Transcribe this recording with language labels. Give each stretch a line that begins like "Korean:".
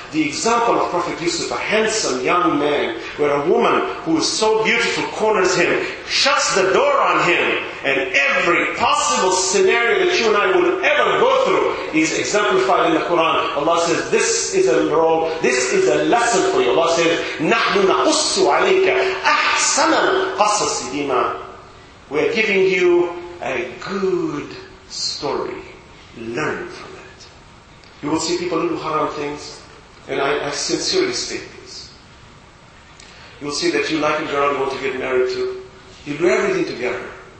English: The example of Prophet Yusuf, a handsome young man, where a woman who is so beautiful corners him, shuts the door on him, and every possible scenario that you and I would ever go through is exemplified in the Quran. Allah says, this is a role, this is a lesson for you. Allah says,
Arabic: نَحْنُ نَقُصُّ عَلَيْكَ أَحْسَنَ قَصَصِ دِيمًا.
English: We are giving you a good story. Learn from it. You will see people do haram things, and I sincerely state this. You will see that you like a girl you want to get married to. You do everything to get her.